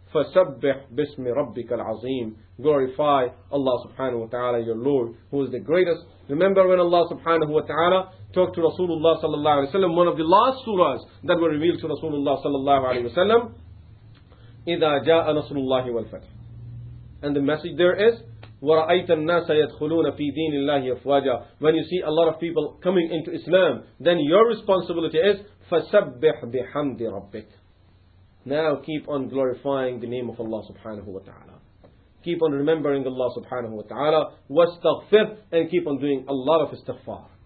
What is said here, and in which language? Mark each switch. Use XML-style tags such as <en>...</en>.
<ar>فَسَبِّحْ بِسْمِ رَبِّكَ الْعَظِيمِ.</ar> <en>Glorify Allah subhanahu wa ta'ala, your Lord, who is the greatest. Remember when Allah subhanahu wa ta'ala talked to Rasulullah sallallahu alayhi wa sallam, one of the last surahs that were revealed to Rasulullah sallallahu alayhi wa sallam,</en> <ar>إِذَا جَاءَ نَصْرُ اللَّهِ وَالْفَتْحِ.</ar> <en>And the message there is,</en> <ar>وَرَأَيْتَ النَّاسَ يَدْخُلُونَ فِي دِينِ اللَّهِ أَفْوَاجًا.</ar> <en>When you see a lot of people coming into Islam, then your responsibility is,</en> <ar>فَسَبِّحْ بِحَمْدِ رَبِّكَ.</ar> <en>Now keep on glorifying the name of Allah subhanahu wa ta'ala. Keep on remembering Allah subhanahu wa ta'ala.</en> <ar>وَاسْتَغْفِرْ.</ar> <en>And keep on doing a lot of istighfar.</en>